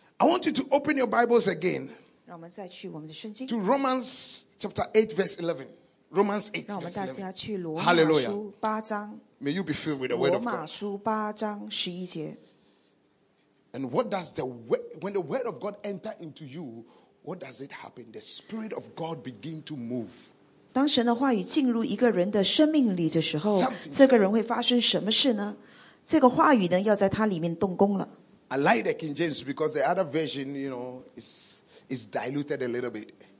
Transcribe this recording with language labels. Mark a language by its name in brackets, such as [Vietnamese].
[English] I want you to open your Bibles again. [Chinese] 让我们再去我们的圣经。 [English] To Romans chapter 8 verse 11. Romans 8 verse 11. [Chinese] 让我们大家去罗马书八章。 [English] Hallelujah. May you be filled with the word of God. [Chinese] 罗马书八章十一节。 [English] And what does the word, when the word of God enter into you, what does it happen? The spirit of God begin to move. [Chinese] 当神的话语进入一个人的生命里的时候，这个人会发生什么事呢？这个话语呢，要在他里面动工了。 [English] I like the King James because the other version, you know, is diluted a little bit.